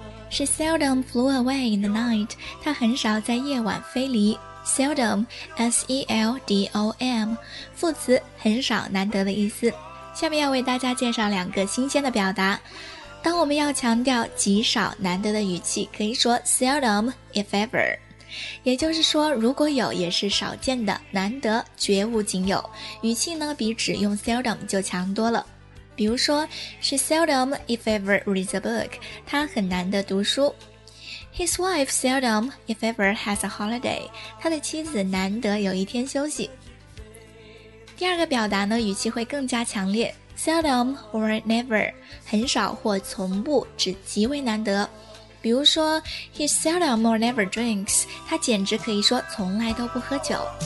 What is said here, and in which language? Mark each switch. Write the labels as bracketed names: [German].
[English] She seldom flew away in the night. [Chinese] 她很少在夜晚飞离。 Seldom, S-E-L-D-O-M, 副词很少难得的意思。下面要为大家介绍两个新鲜的表达。当我们要强调极少难得的语气，可以说 seldom, if ever。也就是说，如果有也是少见的，难得绝无仅有。语气呢比只用 seldom 就强多了。比如说 , [English] She seldom, if ever, reads a book, [Chinese] 她很难得读书。 [English] His wife seldom, if ever, has a holiday. [Chinese] 他的妻子难得有一天休息。第二个表达呢，语气会更加强烈。 [English] Seldom or never, [Chinese] 很少或从不，指极为难得。比如说 [English] ,He seldom or never drinks. [Chinese] 他简直可以说从来都不喝酒。